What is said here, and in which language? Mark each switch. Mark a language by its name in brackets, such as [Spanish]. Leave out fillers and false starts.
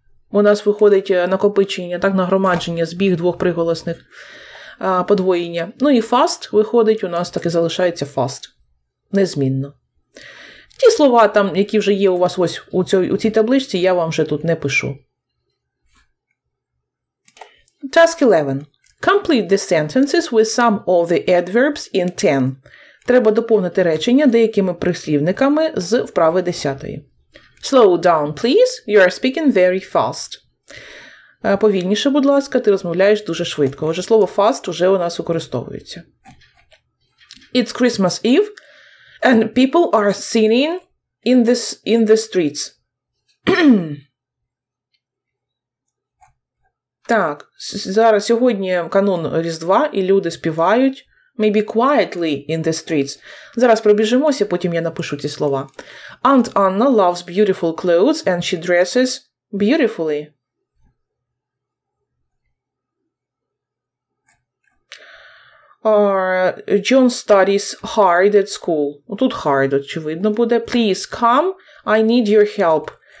[Ukrainian] У нас виходить накопичення, так, нагромадження, збіг двох приголосних, подвоєння. Ну і fast виходить, у нас так і залишається fast. Незмінно. Ті слова, там, які вже є у вас ось у цій табличці, я вам вже тут не пишу. [English] Task 11. Complete the sentences with some of the adverbs in 10. [Ukrainian] Треба доповнити речення деякими прислівниками з вправи десятої. [English] Slow down, please. You are speaking very fast. [Ukrainian] Повільніше, будь ласка, ти розмовляєш дуже швидко. [English] Отже, слово fast вже у нас використовується. It's Christmas Eve and people are singing in the streets. [Ukrainian] Так, зараз сьогодні канун Різдва і люди співають. [English] Maybe quietly in the streets. [Ukrainian] Зараз пробіжимося, потім я напишу ці слова. [English] Aunt Anna loves beautiful clothes and she dresses beautifully. John studies hard at school. [Ukrainian] Тут hard, очевидно, буде. [English] Please come, I need your help.